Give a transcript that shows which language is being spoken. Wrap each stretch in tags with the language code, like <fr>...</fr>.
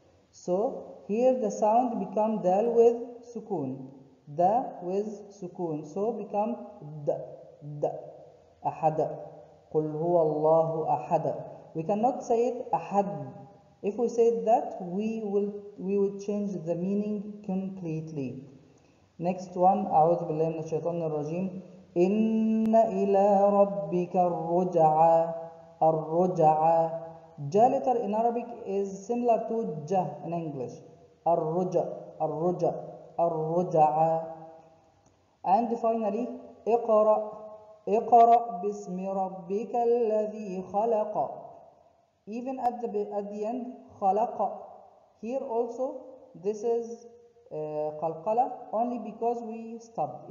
<en>So here the sound become دال with سكون, د with سكون, so become د, د, أحد.</en> <ar>قل هو الله أحد.</ar> <en>We cannot say it</en> <ar>أحد.</ar> <en>If we say that, we would change the meaning completely. Next one.</en> <ar>أعوذ بالله من الشيطان الرجيم. إن إلى ربك الرجعة, الرجعة.</ar> <en>جا letter in Arabic is similar to ج in English.</en> <ar>الرجع, الرجع, الرجع.</ar> <en>And finally,</en> <ar>اقرأ, اقرأ باسم ربك الذي خلق.</ar> <en>Even at the end, خلق. Here also, this is قلقلة only because we stopped.</en>